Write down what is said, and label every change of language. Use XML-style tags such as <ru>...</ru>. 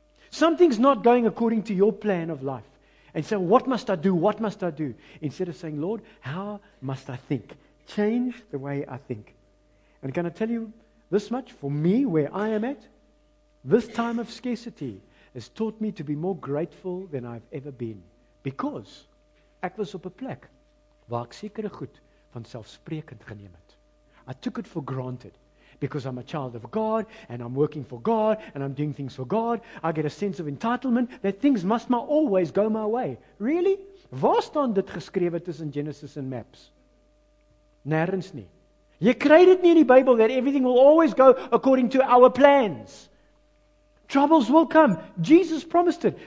<en>Something's not going according to your plan of life. And so what must I do? What must I do? Instead of saying, Lord, how must I think? Change the way I think. And can I tell you this much? For me, where I am at, this time of scarcity has taught me to be more grateful than I've ever been.</en> <af>Because ek was op 'n plek waar ek sekere goed vanselfsprekend geneem het.</af> <en>I took it for granted. Because I'm a child of God, and I'm working for God, and I'm doing things for God, I get a sense of entitlement that things must my always go my way.</en> <af>Really? Waar staan dit geskrewe tussen Genesis en Maps? Nêrens nie. Jy kry dit nie in die Bybel</af> <en>that everything will always go according to our plans. Troubles will come. Jesus promised it.</en>